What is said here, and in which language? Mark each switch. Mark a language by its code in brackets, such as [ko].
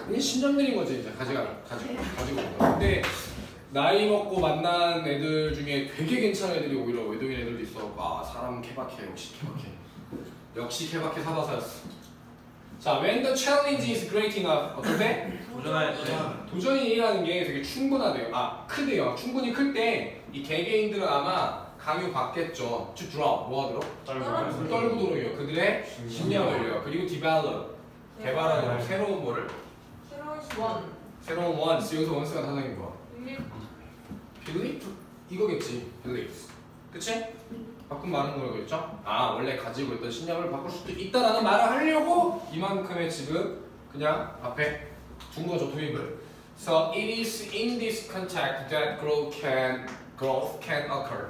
[ko] 이게 신념들인 거지, 이제. 가지고. 근데 나이 먹고 만난 애들 중에 되게 괜찮은 애들이 오히려 외동인 애들도 있어. 아, 사람 케바케, 역시 케바케. 역시 케바케 사바사였어. 자, [en] when the challenge is great enough. [ko] 어떤데? 도전하였어요. 도전이라는 게 되게 충분하대요. 아, 크대요. 충분히 클 때 이 개개인들은 아마 강요 받겠죠. [en] To drop, [ko] 뭐하더라? 떨구도록이요. 그들의 신념을요. 그리고 [en] develop, [ko] 개발하는 새로운 뭐를? 새로운 원. 여기서 원스가 단어인 거야. Belief? 이거겠지. Belief. 그치? 바꾼 말은 뭐라고 했죠? 아, 원래 가지고 있던 신념을 바꿀 수도 있다라는 말을 하려고 이만큼의 지금 그냥 앞에 둔 거죠, 도입을. [en] So it is in this context that growth can occur.